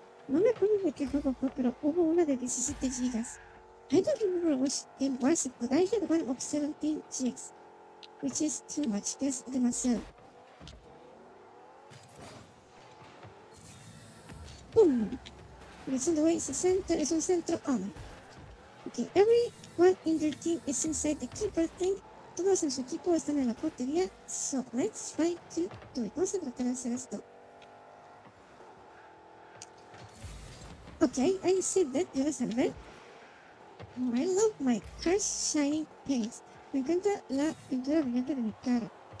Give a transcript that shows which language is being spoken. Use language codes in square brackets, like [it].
[es] No me acuerdo de qué juego fue, pero hubo una de 17 GB. [en] I don't remember which game was, but I had one of 17 GB. Which is too much, [es] que es demasiado. [en] Boom! It's on the way, [es] es un centro on. [en] Okay, everyone in their team is inside the keeper thing. [es] Todos en su equipo están en la portería. [en] So, let's try to do it. [es] Vamos a tratar de hacer esto. [en] Okay, I see that, [es] yo salvé. [en] I love my car's shining paint. [es] Me encanta la pintura brillante de mi carro.